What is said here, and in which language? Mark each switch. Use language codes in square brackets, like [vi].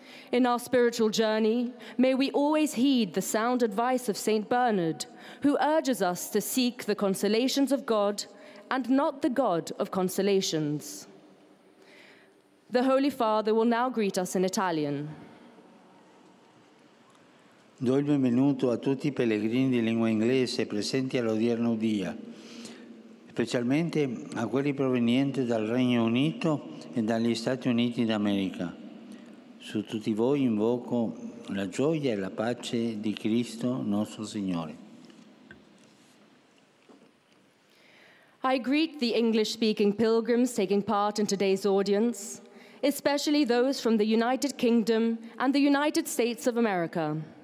[en] In our spiritual journey, may we always heed the sound advice of Saint Bernard, who urges us to seek the consolations of God and not the God of consolations. The Holy Father will now greet us in Italian. [it] Do il benvenuto a tutti i pellegrini di lingua inglese presenti all'odierno dia, specialmente a quelli provenienti dal Regno Unito e dagli Stati Uniti d'America. Su tutti voi invoco la gioia e la pace di Cristo nostro Signore. [en] I greet the English-speaking pilgrims taking part in today's audience, especially those from the United Kingdom and the United States of America.